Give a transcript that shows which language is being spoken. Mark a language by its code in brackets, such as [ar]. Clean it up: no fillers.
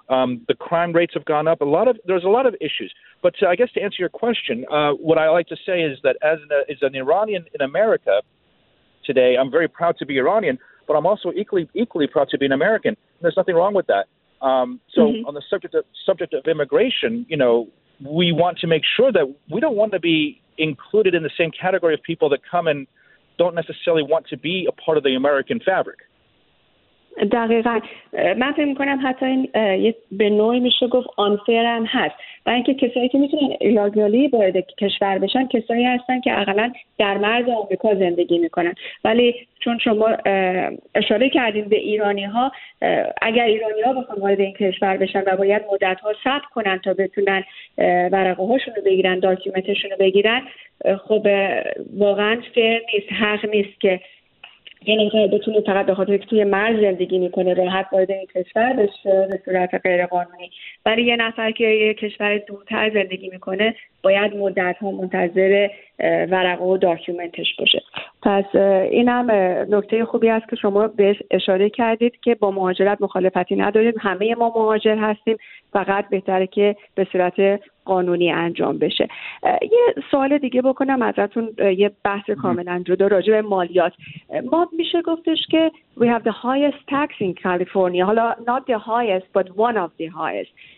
[en] The crime rates have gone up. There's a lot of issues. But I guess to answer your question, what I like to say is that as an Iranian in America today, I'm very proud to be Iranian, but I'm also equally proud to be an American. And there's nothing wrong with that. On the subject of immigration, you know, we want to make sure that we don't want to be included in the same category of people that come and don't necessarily want to be a part of the American fabric. [fa] دقیقاً من فکر می‌کنم حتی این به نوعی میشه گفت آنفیر هم هست. با اینکه کسایی که میتونن ایلاگیالی وارد کشور بشن کسایی هستن که اغلباً در مرز آمریکا زندگی میکنن. ولی چون شما اشاره کردید به ایرانی‌ها، اگر ایرانی‌ها بخوان وارد این کشور بشن و باید مدت‌ها صبر کنن تا بتونن ورقه‌هاشون رو بگیرن، داکیومنتشون رو بگیرن، خب واقعاً فیر نیست، حق نیست که یعنی که بتونه فقط به خاطر که توی مرز زندگی میکنه راحت وارد این کشور بشه به صورت غیر قانونی. برای یه نفر که یه کشور دورتر زندگی میکنه باید مدت ها منتظر ورقه و داکیومنتش باشه. پس اینم نکته خوبی است که شما بهش اشاره کردید که با مهاجرت مخالفتی نداریم. همه ما مهاجر هستیم، فقط بهتره که به صورت قانونی انجام بشه. یه سوال دیگه بکنم ازتون، یه بحث کاملا جدا راجع به مالیات. ما میشه گفتش که [en] we have the highest tax in California. [fa] حالا [en] not the highest but one of the highest.